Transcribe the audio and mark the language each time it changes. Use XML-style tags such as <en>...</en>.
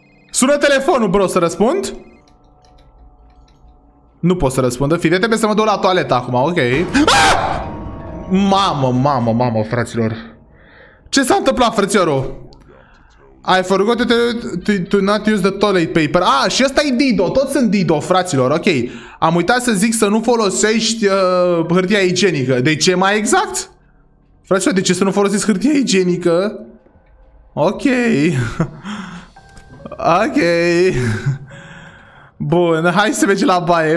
<ro>Sună telefonul, bro, să răspund? Nu pot să răspundă. Fii de trebuie să mă duc la toaletă acum, ok. Mamă, mamă, mamă, fraților. Ce s-a întâmplat, frățiorul?</ro> <en>I forgot to not use the toilet paper.</en> <ro>Și ăsta e Dido. Toți sunt Dido, fraților. Ok. Am uitat să zic să nu folosești hârtia igienică. De ce mai exact? Fraților, de ce să nu folosesc hârtia igienică? Ok. Ok. Bun, hai să mergem la baie.</ro>